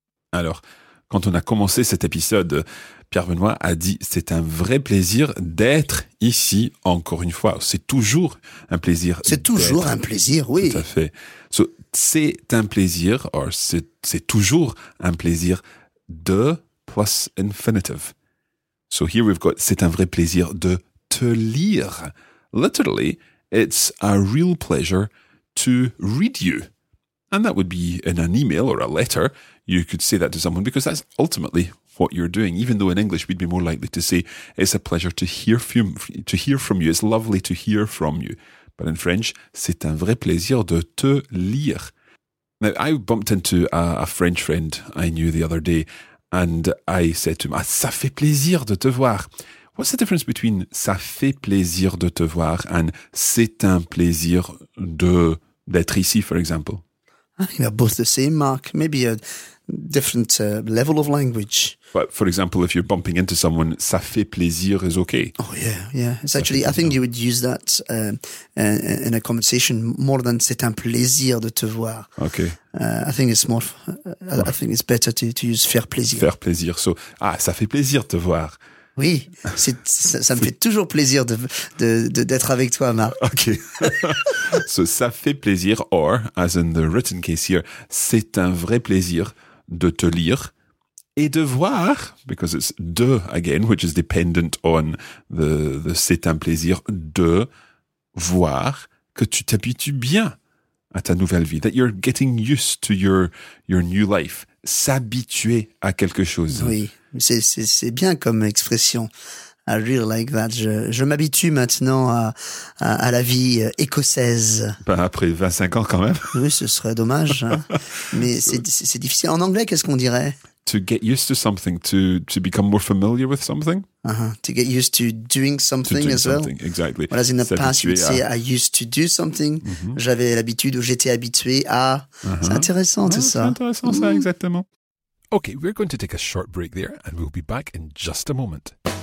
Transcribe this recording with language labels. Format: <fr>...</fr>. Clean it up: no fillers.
<fr>Alors, quand on a commencé cet épisode, Pierre-Benoît a dit « c'est un vrai plaisir d'être ici encore une fois ». C'est toujours un plaisir. C'est toujours un plaisir, oui. Tout à fait. So, c'est un plaisir, or c'est toujours un plaisir de</fr> <en>plus infinitive. So here we've got «</en> <fr>c'est un vrai plaisir de te lire ».</fr> <en>Literally, it's a real pleasure to read you. And that would be in an email or a letter. You could say that to someone because that's ultimately what you're doing. Even though in English we'd be more likely to say, it's a pleasure to hear from you. It's lovely to hear from you. But in French,</en> <fr>c'est un vrai plaisir de te lire.</fr> <en>Now, I bumped into a French friend I knew the other day and I said to him,</en> <fr>ah, ça fait plaisir de te voir.</fr> <en>What's the difference between</en> <fr>ça fait plaisir de te voir</fr> <en>and</en> <fr>c'est un plaisir d'être ici,</fr> <en>for example? I think they're both the same, Mark. Maybe a different level of language. But for example, if you're bumping into someone,</en> <fr>ça fait plaisir</fr> <en>is okay. Oh, yeah, yeah. It's actually, I think you would use that in a conversation more than</en> <fr>c'est un plaisir de te voir.</fr> <en>Okay. I think it's more, I think it's better to use faire plaisir.</en> <fr>Faire plaisir. So, ah, ça fait plaisir de te voir. Oui, ça me fait toujours plaisir d'être avec toi, Marc.</fr> <en>Ok. So,</en> <fr>ça fait plaisir,</fr> <en>or, as in the written case here,</en> <fr>c'est un vrai plaisir de te lire et de voir,</fr> <en>because it's de again, which is dependent on the</en> <fr>c'est un plaisir de voir que tu t'habitues bien à ta nouvelle vie,</fr> <en>that you're getting used to your new life,</en> <fr>s'habituer à quelque chose. Oui. C'est bien comme expression,</fr> <en>I really like that.</en> <fr>Je m'habitue maintenant à la vie écossaise. Ben après 25 ans quand même. Oui, ce serait dommage. Hein. Mais c'est difficile. En anglais, qu'est-ce qu'on dirait?</fr> <en>To get used to something, to become more familiar with something. To get used to doing something to do as something. Well. Exactly. Whereas in the past, you would say, I used to do something. Mm-hmm.</en> <fr>J'avais l'habitude ou j'étais habitué à... Uh-huh. C'est intéressant tout ça. C'est intéressant ça, exactement.</fr> <en>Okay, we're going to take a short break there and we'll be back in just a moment.</en>